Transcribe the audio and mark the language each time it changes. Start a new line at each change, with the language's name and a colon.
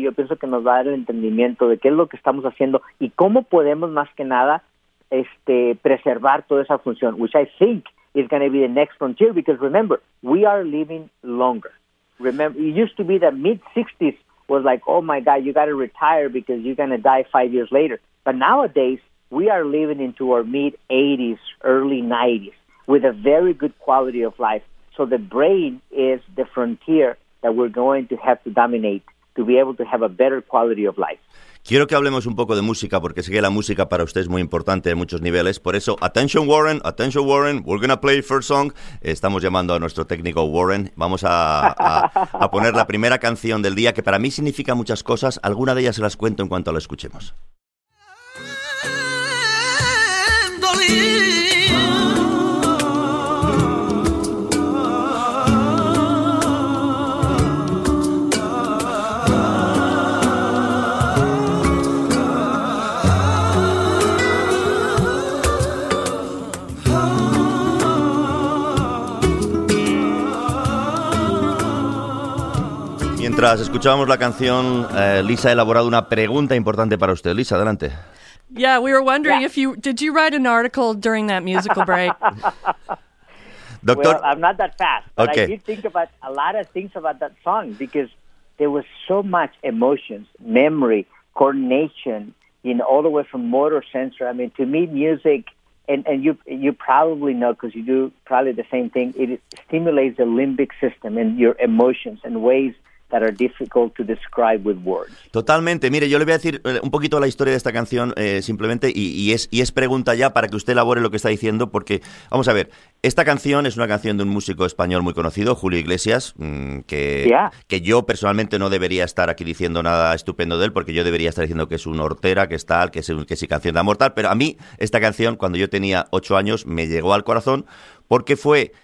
Spanish: Yo pienso que nos va a dar el entendimiento de qué es lo que estamos haciendo y cómo podemos, más que nada, preservar toda esa función,
English: which I think is going to be the next frontier, because remember, we are living longer. Remember, it used to be that mid-60s was like, oh my God, you got to retire because you're going to die 5 years later. But nowadays, we are living into our mid-80s, early 90s, with a very good quality of life. So the brain is the frontier that we're going to have to dominate to be able to have a better quality of life.
Spanish: Quiero que hablemos un poco de música, porque sé que la música para usted es muy importante en muchos niveles. Por eso,
English: attention Warren, we're gonna play first song.
Spanish: Estamos llamando a nuestro técnico Warren. Vamos a poner la primera canción del día, que para mí significa muchas cosas. Alguna de ellas se las cuento en cuanto la escuchemos. Mientras escuchábamos la canción, Lisa ha elaborado una pregunta importante para usted. Lisa, adelante.
English: Yeah, we were wondering if did you write an article during that musical break? Doctor, well, I'm not that fast, but okay. I did think about a lot of things about that song, because there was so much emotions, memory, coordination, you know, all the way from motor sensor. I mean, to me, music, and you probably know, because you do probably the same thing, it stimulates the limbic system and your emotions and ways that are difficult to describe with words.
Spanish: Totalmente. Mire, yo le voy a decir un poquito la historia de esta canción, simplemente, y es pregunta ya para que usted elabore lo que está diciendo, porque, vamos a ver, esta canción es una canción de un músico español muy conocido, Julio Iglesias, que yo personalmente no debería estar aquí diciendo nada estupendo de él, porque yo debería estar diciendo que es un hortera, que es tal, que es canción de amor tal, pero a mí esta canción, cuando yo tenía 8 años, me llegó al corazón, porque fue...